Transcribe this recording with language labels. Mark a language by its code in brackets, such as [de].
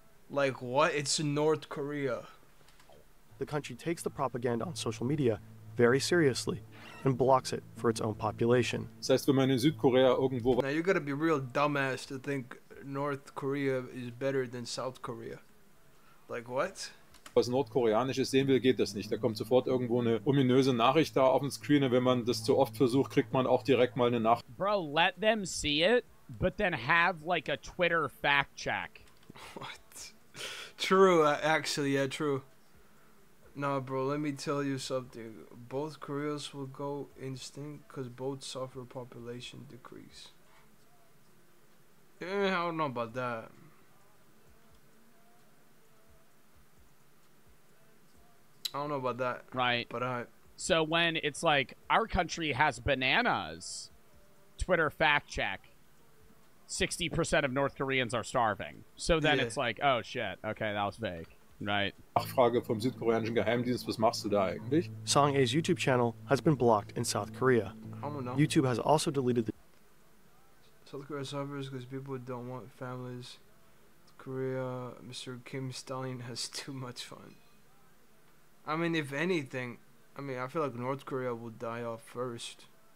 [en] Like, what? It's North Korea. The country takes the propaganda on social media very seriously and blocks it for its own population. [de] Das heißt, wenn man in Südkorea irgendwo... [en] Now, you gotta be real dumbass to think North Korea is better than South Korea. Like, what? [de] Was Nordkoreanisches sehen will, geht das nicht. Da kommt sofort irgendwo eine ominöse Nachricht da auf dem Screen. Und wenn man das zu oft versucht, kriegt man auch direkt mal eine Nachricht. [en] Bro, let them see it, but then have like a Twitter fact check. What? True, actually, yeah, true. Nah, bro, let me tell you something. Both Koreas will go extinct because both suffer population decrease. Yeah, I don't know about that. I don't know about that. Right. But I... So when it's like, our country has bananas, Twitter fact check, 60% of North Koreans are starving. So then it's like, oh shit, okay, that was vague. Right. [de] Nachfrage vom südkoreanischen Geheimdienst, was machst du da eigentlich? [en] Song A's YouTube channel has been blocked in South Korea. I don't know. YouTube has also deleted the... South Korea suffers because people don't want families. Korea, Mr. Kim Stalin has too much fun. I mean, if anything, I mean, I feel like North Korea will die off first.